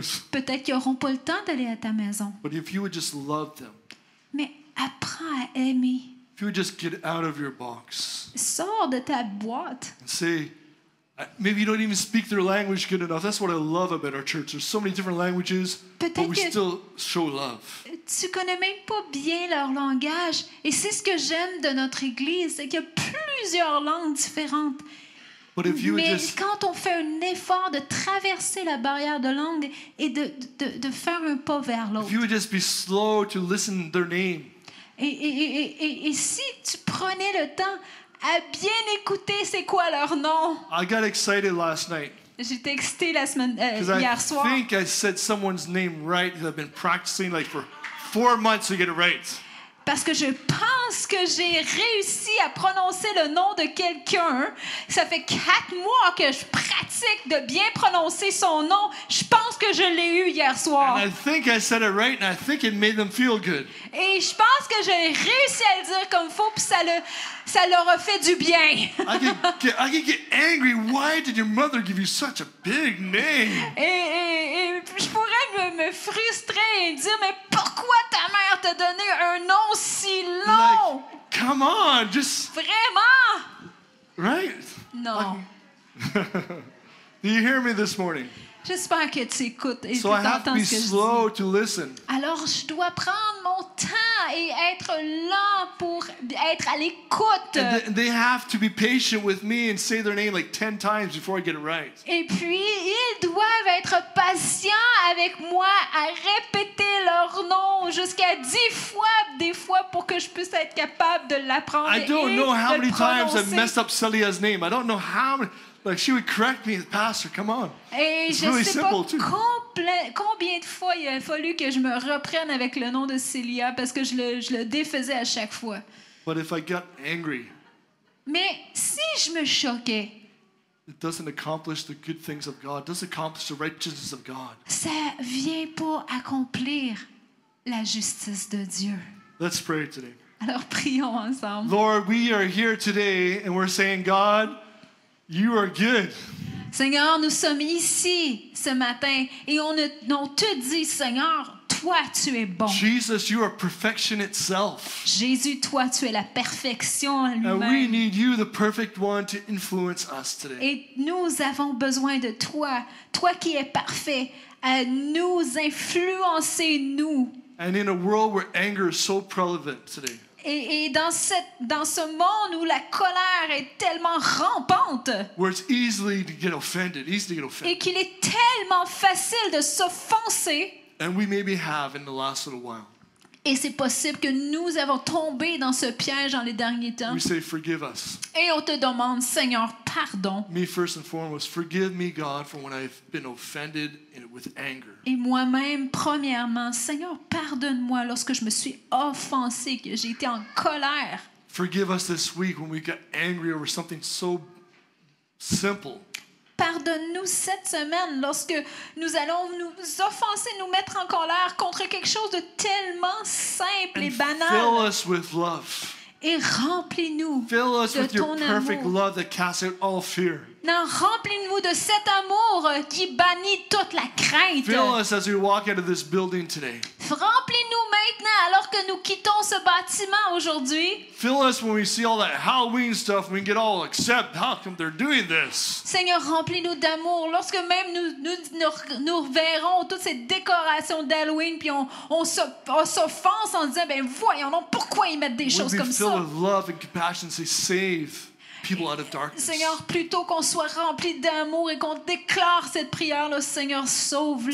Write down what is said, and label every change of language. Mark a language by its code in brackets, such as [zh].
[fr] Peut-être qu'ils n'auront pas le temps d'aller à ta maison. [en] But if you would just love them, [fr] mais apprends à aimer. [en] If you would just get out of your box, [fr] sors de ta boîte. [en] Say, maybe you don't even speak their language good enough. That's what I love about our church. There's so many different languages, [fr] peut-être [en] but we still show love. [fr] Tu connais même pas bien leur langage, et c'est ce que j'aime de notre église, c'est qu'il y a plusieurs langues différentes. [en] But if you [fr] mais [en] would just, [fr] quand on fait un effort de traverser la barrière de langue et de faire un pas vers l'autre. [en] If you would just be slow to listen to their name. [fr] Et si tu prenais le temps à bien écouter c'est quoi leur nom. [en] I got excited last night. [fr] J'étais excité la semaine hier soir. [en] I think I said someone's name right that I've been practicing like for 4 months to get it right. [fr] Parce que je pense que j'ai réussi à prononcer le nom de quelqu'un. Ça fait 4 mois que je pratique de bien prononcer son nom. Je pense que je l'ai eu hier soir. [en] And I think I said it right, and I think it made them feel good. [fr] Et je pense que j'ai réussi à le dire comme il faut, puis ça leur a fait du bien. [en] I can get angry. Why did your mother give you such a big name? [fr] Et je pourrais me frustrer et dire, mais pourquoi ta mère t'a donné un nom? Non, si long. [en] Like, come on, just [fr] vraiment. [en] Right? No. Do you hear me this morning? [fr] J'espère que tu écoutes et [en] so [fr] que tu entends ce que je dis. [en] So I have to be slow to listen. [fr] Alors je dois prendre mon temps et être lent pour être à l'écoute. [en] And they have to be patient with me and say their name like 10 times before I get it right. [fr] Et puis ils doivent être patients avec moi à répéter leur nom jusqu'à 10 fois des fois pour que je puisse être capable de l'apprendre et de le prononcer. [en] I don't know how many times I messed up Celia's name. I don't know how many. Like she would correct me, pastor. Come on. [fr] Et it's je really sais simple, pas combien de fois il a fallu que je me reprenne avec le nom de Celia parce que je le défaisais à chaque fois. [en] But if I got angry, [fr] mais si je me choquais, [en] it doesn't accomplish the good things of God. It doesn't accomplish the righteousness of God. [fr] Ça vient pas accomplir la justice de Dieu. [en] Let's pray today. [fr] Alors prions ensemble. [en] Lord, we are here today, and we're saying, God. You are good. [fr] Seigneur, nous sommes ici ce matin et on te dit, Seigneur, toi, tu es bon. [en] Jesus, you are perfection itself. [fr] Jésus, toi, tu es la perfection lui-même. [en] And we need you, the perfect one, to influence us today. [fr] Et nous avons besoin de toi, toi qui es parfait, à nous influencer, nous. [en] And in a world where anger is so prevalent today. [fr] Et dans ce monde où la colère est tellement rampante, [en] where it's easily to get offended, easily to get offended, [fr] et qu'il est tellement facile de s'offenser, [en] and we maybe have in the last little while, [fr] et c'est possible que nous avons tombé dans ce piège dans les derniers temps, [en] we say, forgive us. [fr] Et on te demande, Seigneur, pardon. [en] Me first and foremost, forgive me, God, for when I've been offended with anger. [fr] Et moi-même, premièrement, Seigneur, pardonne-moi lorsque je me suis offensé, que j'ai été en colère. [en] Forgive us this week when we got angry over something so simple. [fr] Pardonne-nous cette semaine lorsque nous allons nous offenser, nous mettre en colère contre quelque chose de tellement simple et banal. [en] Fill us with love. [fr] Et remplis-nous [en] fill us [fr] de [en] with [fr] ton [en] your perfect [fr] amour. [en] Love that casts out all fear. [fr] Non, remplis-nous de cet amour qui bannit toute la crainte. [en] Fill us as we walk out of this building today. [fr] Remplis-nous maintenant alors que nous quittons ce bâtiment aujourd'hui. [en] Fill us when we see all that Halloween stuff and we get all upset. How come they're doing this? [fr] Seigneur, remplis-nous d'amour lorsque même nous verrons toutes ces décorations d'Halloween puis on s'offense en disant ben voyons donc pourquoi ils mettent des [en] we'll [fr] choses comme ça. [en] We fill with love and compassion and say save. People out of darkness. [fr] Seigneur, plutôt qu'on soit rempli d'amour et qu'on déclare cette prière-là, Seigneur, sauve-les.